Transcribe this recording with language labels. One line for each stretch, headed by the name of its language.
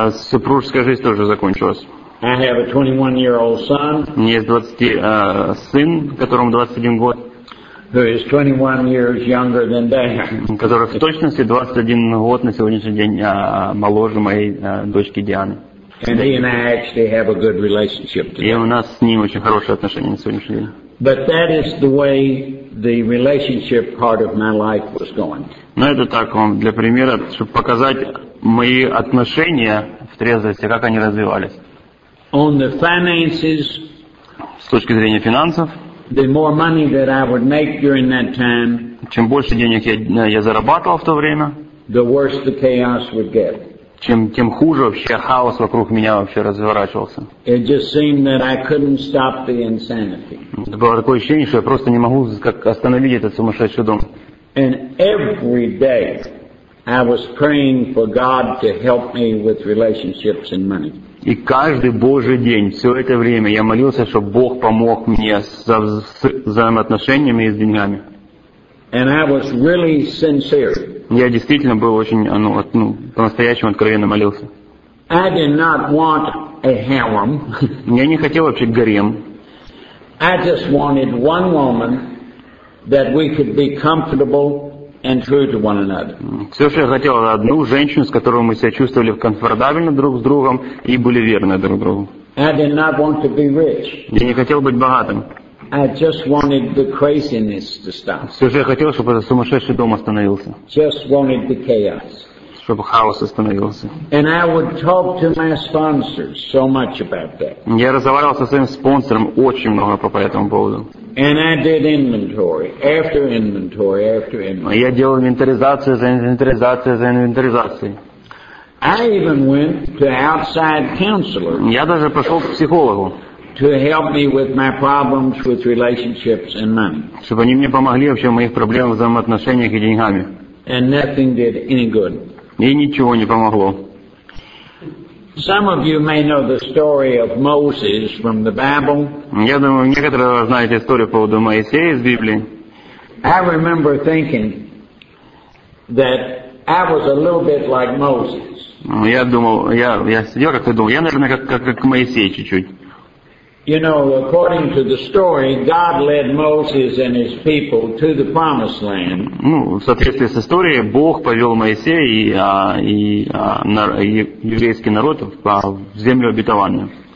Russian: Супружеская жизнь тоже закончилась.
English: I have a 21-year-old son.
Russian: Мне есть 20 сын, которому 21 год.
English: Who is 21 years younger than they.
Russian: Который в точности 21 год на сегодняшний день моложе моей дочки Дианы.
English: And he and I actually have a good relationship today.
Russian: И у нас с ним очень хорошие отношения на сегодняшний день.
English: But that is the way the relationship part of my life was going.
Russian: Но это так вам для примера, чтобы показать мои отношения в трезвости, как они развивались.
English: On the finances,
Russian: с точки зрения финансов,
English: the more money that I would make during that time,
Russian: чем больше денег я зарабатывал в то время,
English: the worse the chaos would get.
Russian: Тем хуже вообще хаос вокруг меня вообще разворачивался.
English: It just seemed that I couldn't stop the insanity.
Russian: Это было такое ощущение, что я просто не могу как остановить этот сумасшедший дом.
English: And every day I was praying for God to help me with relationships and money.
Russian: И каждый Божий день, все это время, я молился, чтобы Бог помог мне с взаимоотношениями и с деньгами.
English: And I was really sincere.
Russian: Я действительно был очень, по-настоящему откровенно молился.
English: I did not want a harem.
Russian: Я не хотел вообще гарем.
English: I just wanted one woman that we could be comfortable and true to one another.
Russian: Все, что я хотел, это одну женщину, с которой мы себя чувствовали комфортабельно друг с другом и были верны друг другу.
English: I did not want to be rich.
Russian: Я не хотел быть богатым.
English: I just wanted the craziness to stop.
Russian: Все, что я хотел, чтобы этот сумасшедший дом остановился.
English: Just wanted the chaos.
Russian: Чтобы хаос остановился.
English: And I would talk to my sponsors so much about that.
Russian: Я разговаривал со своим спонсором очень много по этому поводу.
English: And I did inventory after inventory after inventory.
Russian: Я делал инвентаризацию за инвентаризацией за инвентаризацией.
English: I even went to outside counselor.
Russian: Я даже пошел к психологу.
English: To help me with my problems with relationships and money.
Russian: Чтобы они мне помогли вообще в моих проблемах взаимоотношениях и деньгами.
English: And nothing did any good.
Russian: И ничего не помогло.
English: Some of you may know the story of Moses from the Bible.
Russian: Я думаю, некоторые из вас знают историю по поводу Моисея из Библии.
English: I remember thinking that I was a little bit like Moses.
Russian: Я думал, я сидел как-то думал, я, наверное, как Моисей чуть-чуть.
English: You know, according to the story, God led Moses and his people to the promised land.
Russian: Ну, в соответствии с историей, Бог повел Моисея и еврейский народ в землю обетованную.